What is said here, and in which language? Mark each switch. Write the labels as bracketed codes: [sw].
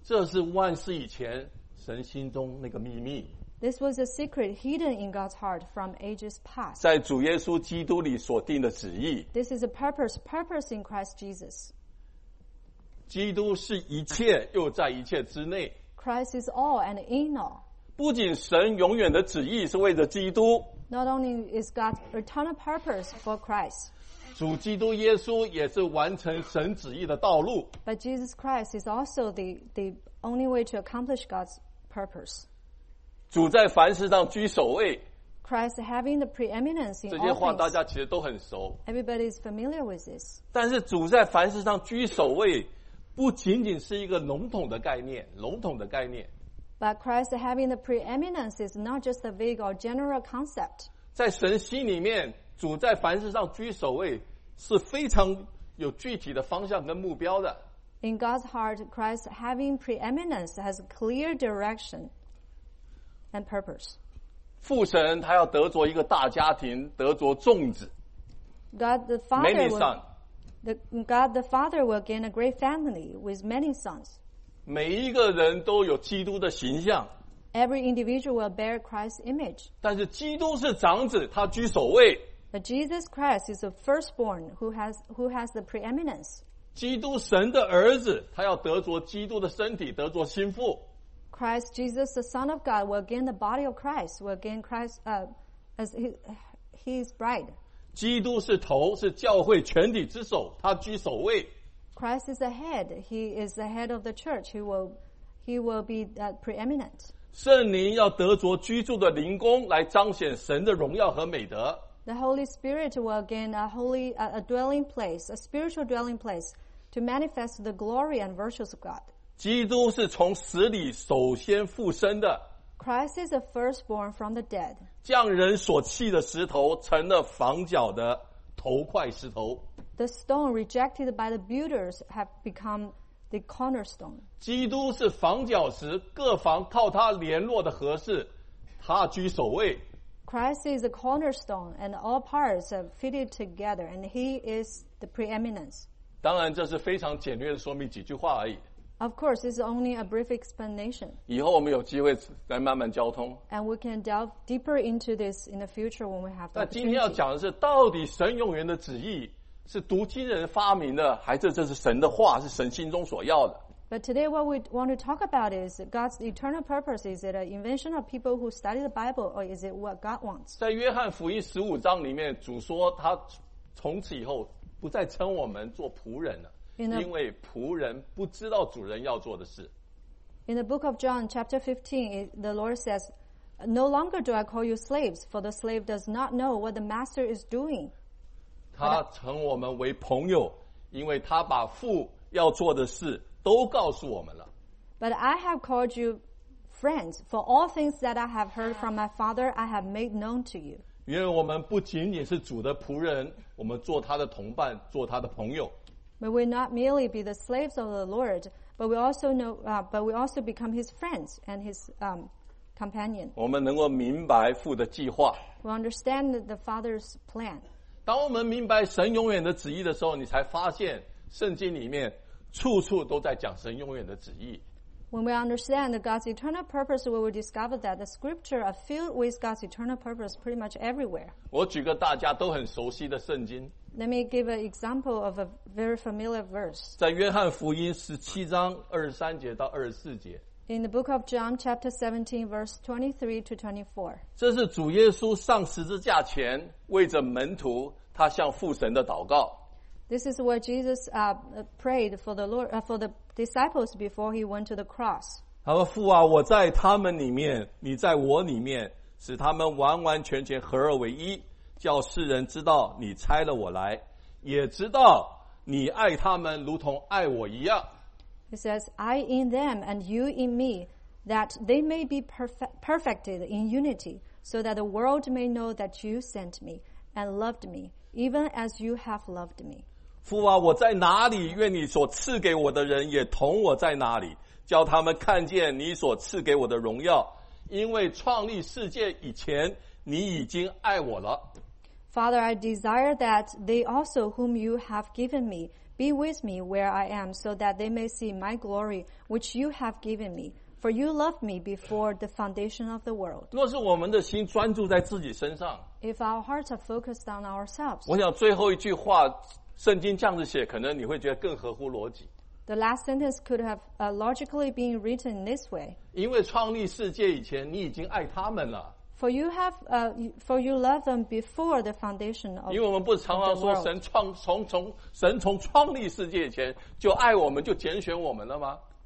[zh] 这是万世以前神心中那个秘密 [en] This was a secret hidden in God's heart from ages past [zh] 在主耶稣基督里所定的旨意 [en] This is a purpose in Christ Jesus [zh] 基督是一切又在一切之内 [en] Christ is all and in all [zh] 不仅神永远的旨意是为着基督 [en] Not only is God's eternal purpose for Christ [zh] 主基督耶稣也是完成神旨意的道路 [en] But Jesus Christ is also the only way to accomplish God's purpose. [zh] 主在凡事上居首位。 [en] Christ having the preeminence in all things. [zh] 这些话大家其实都很熟。 [en] Everybody is familiar with this. [zh] 但是主在凡事上居首位，不仅仅是一个笼统的概念，笼统的概念。 [en] But Christ having the preeminence is not just a vague or general concept. [zh] 在神心里面，主在凡事上居首位是非常有具体的方向跟目标的。 [en] In God's heart, Christ having preeminence has clear direction and purpose. [zh] 父神他要得着一个大家庭，得着众子。 [en] God the Father many son. God the Father will gain a great family with many sons. [zh] 每一个人都有基督的形象。 [en] Every individual will bear Christ's image. [zh] 但是基督是长子，他居首位。 [en] But Jesus Christ is the firstborn who has the preeminence. [zh] 基督神的儿子，他要得着基督的身体，得着心腹。 [en] Christ Jesus, the Son of God, will gain the body of Christ, will gain Christ as his bride. [zh] 基督是头，是教会全体之首，他居首位。 [en] Christ is the head. He is the head of the church. He will be preeminent. [zh] 圣灵要得着居住的灵宫，来彰显神的荣耀和美德。 [en] The Holy Spirit will gain a dwelling place, a spiritual dwelling place, to manifest the glory and virtues of God. [zh] 基督是从死里首先复生的。 [en] Christ is the firstborn from the dead. [zh] 匠人所弃的石头成了房角的头块石头。 [en] The stone rejected by the builders have become the cornerstone. [zh] 基督是房角石，各房靠他联络的合适，他居首位。 [en] Christ is the cornerstone and all parts are fitted together and he is the preeminence. [zh] 当然这是非常简略的说明几句话而已。 [en] Of course, it's only a brief explanation. [zh] 以后我们有机会再慢慢交通。 [en] And we can delve deeper into this in the future when we have the opportunity. [zh] 那今天要讲的是到底神永远的旨意是读经人发明的，还是这是神的话，是神心中所要的。 [en] But today what we want to talk about is God's eternal purpose. Is it an invention of people who study the Bible or is it what God wants? [zh] 在约翰福音十五章里面，主说他从此以后不再称我们做仆人了，因为仆人不知道主人要做的事。 [en] In the book of John chapter 15, the Lord says, No longer do I call you slaves, for the slave does not know what the master is doing. [zh] 他称我们为朋友，因为他把父要做的事都告诉我们了。 [en] But I have called you friends, for all things that I have heard from my Father, I have made known to you. [zh] 因为我们不仅仅是主的仆人，我们做他的同伴，做他的朋友。 [en] May we not merely be the slaves of the Lord, but we also know, but we also become his friends and his companion. [zh] 我们能够明白父的计划。 [en] We understand the Father's plan. [zh] 当我们明白神永远的旨意的时候，你才发现圣经里面处处都在讲神永远的旨意。 [en] When we understand God's eternal purpose, we will discover that the scripture are filled with God's eternal purpose pretty much everywhere. [zh] 我举个大家都很熟悉的圣经。 [en] Let me give an example of a very familiar verse. [zh] 在约翰福音十七章二十三节到二十四节。 [en] In the book of John, chapter 17, verse 23 to 24. [zh] 这是主耶稣上十字架前为着门徒他向父神的祷告。 [en] This is what Jesus prayed for the Lord, for the disciples before he went to the cross. [zh] 他说父啊我在他们里面你在我里面使他们完完全全合而为一叫世人知道你差了我来也知道你爱他们如同爱我一样。 [en] He says, I in them and you in me, that they may be perfected in unity, so that the world may know that you sent me and loved me, even as you have loved me. [zh] 父啊我在哪里愿你所赐给我的人也同我在哪里叫他们看见你所赐给我的荣耀因为创立世界以前你已经爱我了。 [en] Father, I desire that they also whom you have given me be with me where I am so that they may see my glory which you have given me. For you loved me before the foundation of the world. [zh] 若是我们的心专注在自己身上 [en] If our hearts are focused on ourselves, [zh] 我想最后一句话圣经这样子写可能你会觉得更合乎逻辑。 [en] The last sentence could have logically been written this way. [zh] 因为创立世界以前你已经爱他们了。 [en] For you love them before the foundation of the world. [zh] 因为我们不常常说神从创立世界以前就爱我们就拣选我们了吗？